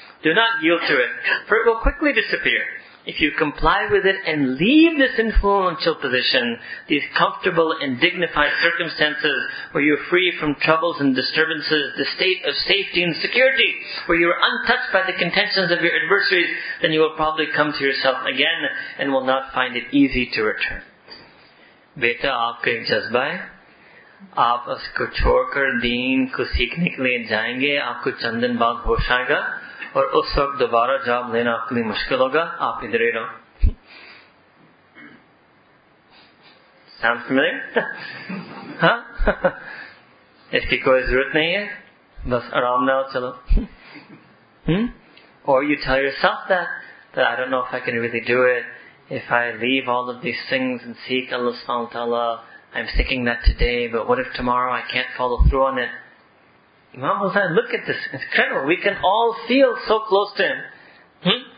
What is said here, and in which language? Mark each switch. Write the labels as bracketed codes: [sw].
[en] Do not yield to it, for it will quickly disappear. If you comply with it and leave this influential position, these comfortable and dignified circumstances where you are free from troubles and disturbances, the state of safety and security, where you are untouched by the contentions of your adversaries, then you will probably come to yourself again and will not find it easy to return. [ur] بیٹا، آپکے جذبہ ہے۔ آپ اسکو چھوڑکر دین کو سیکھنے کے لیے جائیں گے، آپکو چندن بعد ہوش آئے گا۔ اور اس وقت دوبارہ job لینا آپکے لیے مشکل ہوگا، آپ ادھر ہی رہو۔ [en] Sounds familiar? Huh? [ur] اسکی کوئی ضرورت نہیں ہے، بس آرام نہ چلو۔ [en] Or you tell yourself that I don't know if I can really do it. If I leave all of these things and seek Allah subhanahu wa ta'ala, I'm thinking that today, but what if tomorrow I can't follow through on it? Imam Hussain, look at this. It's incredible. We can all feel so close to him.